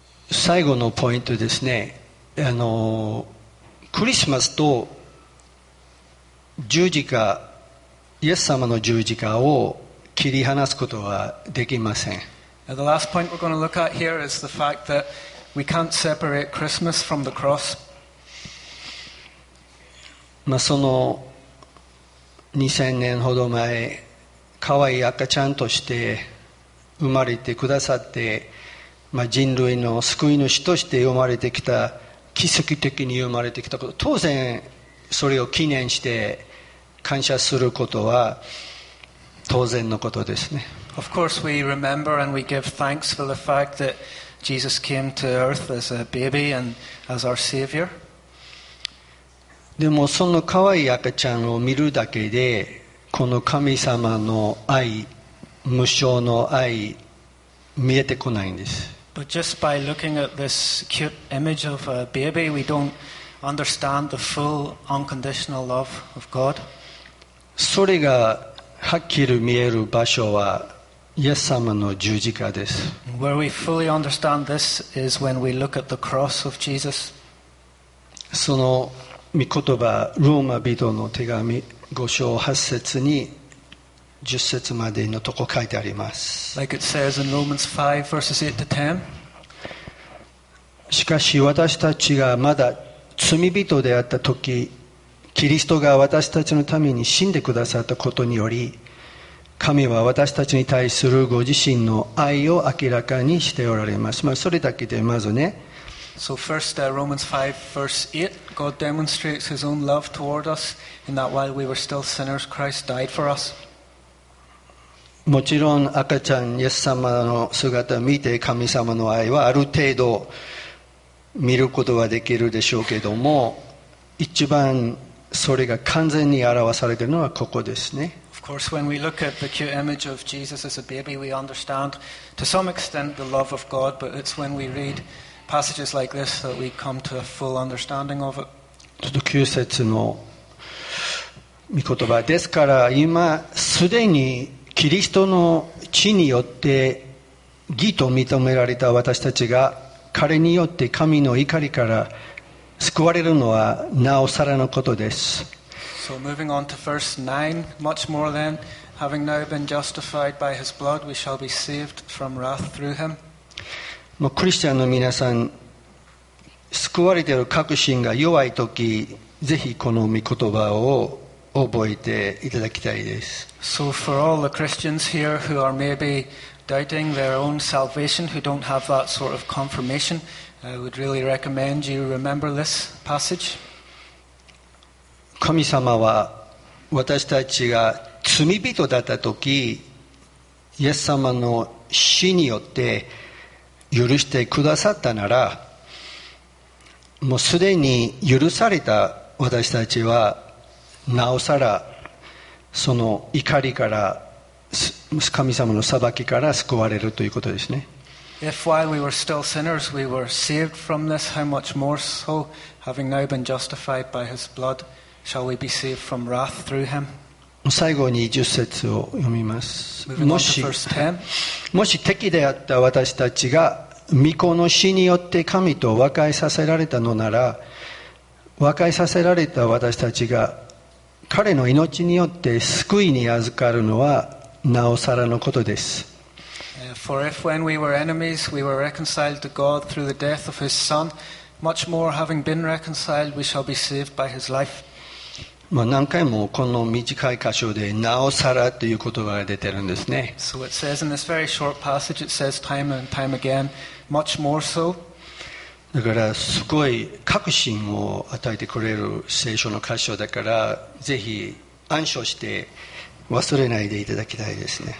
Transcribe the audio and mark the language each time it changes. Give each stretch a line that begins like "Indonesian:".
Japanese: 最後のポイントですね。クリスマスと十字架イエス様の十字架を切り離すことはできません。
English: Now, the last point we're going to look at here is the fact that we can't separate Christmas from the cross.
Japanese: まあ、その2000年ほど前、可愛い赤ちゃんとして生まれてくださって、まあ、人類の救い主として生まれてきた、奇跡的に生まれてきたこと、当然それを記念して感謝することは当然のことですね。
English: Of course we remember and we give thanks for the fact that Jesus came to earth as a baby and as our savior.
Japanese: でもその可愛い赤ちゃんを見るだけでこの神様の愛、無償の愛、見えてこないんです。
English: But just by looking at this cute image of a baby, we don't understand the full unconditional love of God.
Japanese: それがはっきり見える場所はイエス様の十字架です。
English: Where we fully understand this is when we look at the cross of Jesus.
Japanese: その御言葉ローマ人の手紙5章8節に10節までのとこ書いてあります、
English: like、it says in Romans 5, verses 8 to 10.
Japanese: しかし私たちがまだ罪人であった時キリストが私たちのために死んでくださったことにより神は私たちに対するご自身の愛を明らかにしておられます、まあ、それだけでまずね
English: So first, Romans 5, verse 8, God demonstrates His own love toward us in that while we were still sinners, Christ died for us.
Japanese: もちろん赤ちゃん、イエス様の姿を見て神様の愛はある程度見ることはできるでしょうけども、一番それが完全に表されているのはここですね。
English: Of course, when we look at the cute image of Jesus as a baby, we understand to some extent the love of God, but it's when we readPassages like this that we come to a full understanding of it.
Japanese: ちょっと9節の御言葉ですから今すでにキリストの血によって義と認められた私たちが彼によって神の怒りから救われるのはなおさらのことです。
English: So moving on to verse 9, much more then, having now been justified by his blood, we shall be saved from wrath through him.
Japanese: もうクリスチャンの皆さん救われている確信が弱いときぜひこの御言葉を覚えていただきたいです。
English: So for all the Christians here who are maybe doubting their own salvation, who don't have that sort of confirmation, I would really recommend you remember this passage.
Japanese: 神様は私たちが罪人だったとき、イエス様の死によって許してくださったなら、もうすでに許された私たちはなおさらその怒りから神様の裁きから救われるということですね。
English: If while we were still sinners we were saved from this, how much more so, having now been justified by his blood, shall we be saved from wrath through him?
Japanese: 最後に10節を読みます。もし敵であった私たちが御子の死によって神と和解させられたのなら、和解させられた私たちが彼の命によって救いに預かるのはなおさらのことです。
English: For if when we were enemies, we were reconciled to God through the death of his son, much more having been reconciled, we shall be saved by his life.
Japanese: まあ、何回もこの短い箇所でなおさらという言葉が出てるんですね。
English: So it says in this very short passage, it says time and time again, much more so.
Japanese: だからすごい確信を与えてくれる聖書の箇所だから、ぜひ暗唱して忘れないでいただきたいですね。